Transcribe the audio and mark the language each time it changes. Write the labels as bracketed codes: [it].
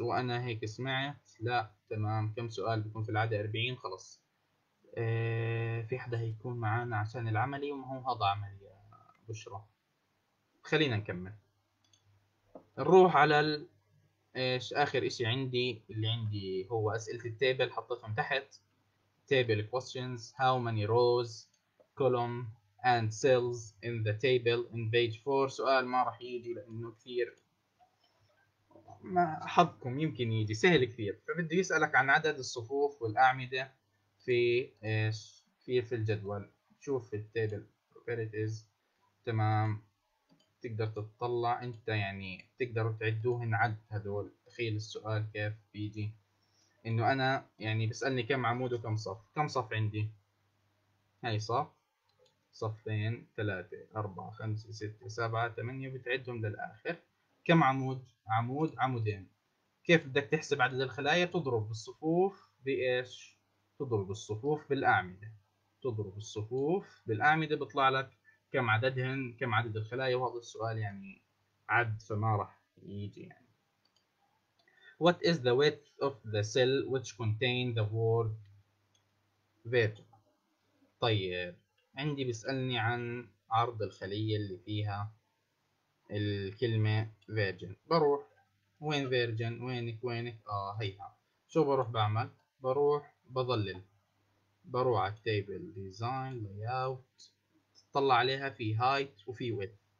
[ar] وانا هيك سمعت. لا تمام، كم سؤال بيكون في العاده؟ 40. خلص. في حدا هيكون معانا عشان العملي؟ وما هو هذا عملي يا بشرى. خلينا نكمل، نروح على ايش اخر اشي عندي. اللي عندي هو اسئله التيبل، حطيتهم تحت. [en] Table questions: How many rows, column, and cells in the table in page 4. [ar] سؤال ما راح يجي لأنه كثير، ما حظكم يمكن يجي سهل كثير، فبده يسألك عن عدد الصفوف والأعمدة في إيش في الجدول. شوف في التيبل [en] where it is. [ar] تمام، تقدر تطلع أنت، يعني تقدر تعدوهن عد هذول. تخيل السؤال كيف بيجي، انه انا يعني بسألني كم عمود وكم صف. كم صف عندي؟ هاي صف، صفين، ثلاثة، أربعة، خمسة، ستة، سبعة، ثمانية، بتعدهم للآخر. كم عمود؟ عمود، عمودين. كيف بدك تحسب عدد الخلايا؟ تضرب الصفوف بإيش؟ تضرب الصفوف بالأعمدة. تضرب الصفوف بالأعمدة بيطلع لك كم عددهن، كم عدد الخلايا. وهذا السؤال يعني عد، فما راح يجي يعني. [en] What is the width of the cell which contain the word virgin? [ar] طيب عندي بيسألني عن عرض الخلية اللي فيها الكلمة virgin. بروح وين virgin، وينك وينك، هيها. شو بروح بعمل؟ بروح بظلل، بروح على table design layout، تطلع عليها في height وفي width.